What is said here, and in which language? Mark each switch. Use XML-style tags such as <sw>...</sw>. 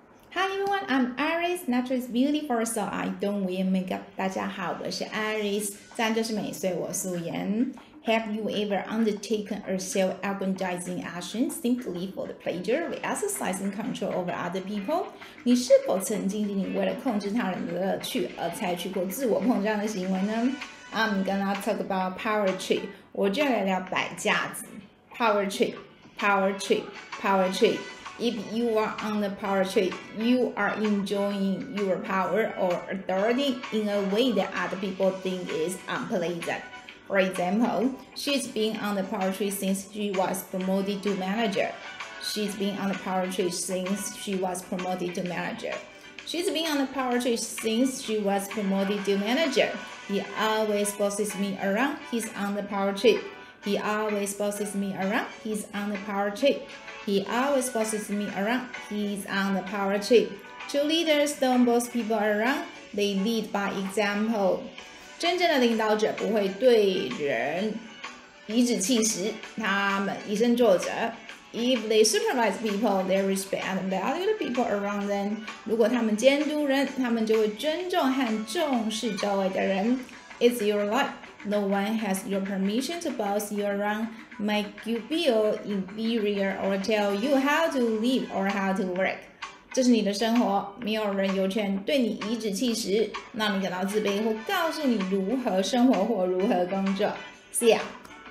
<en>Hi everyone, I'm Iris, naturally beautiful, so I don't wear makeup.</en> <zh>大家好，我是 Iris， 赞就是美，所以我素颜。</zh> <en>Have you ever undertaken a self-aggrandizing action simply for the pleasure of exercising control over other people?</en> <zh>你是否曾经仅仅为了控制他人的乐趣而采取过自我膨胀的行为呢？</zh> <en>I'm gonna talk about power trip.</en> <zh>我就来聊摆架子。</zh> <en>Power trip, power trip, power trip. If you are on the power trip, you are enjoying your power or authority in a way that other people think is unpleasant. For example, she's been on the power trip since she was promoted to manager. She's been on the power trip since she was promoted to manager. She's been on the power trip since she was promoted to manager. He always bosses me around. He's on the power trip. He always bosses me around. He's on the power trip. He always bosses me around. He's on the power trip. True leaders don't boss people around. They lead by example.</en> <zh>真正的领导者不会对人颐指气使，他们以身作则。</zh> <en>If they supervise people, they respect and value the people around them.</en> <zh>如果他们监督人，他们就会尊重和重视周围的人。</zh> <en>It's your life. No one has your permission to boss you around. Make you feel inferior or tell you how to live or how to work.</en> <zh>这是你的生活，没有人有权对你颐指气使，让你感到自卑或告诉你如何生活或如何工作。</zh> <en>See ya.</en>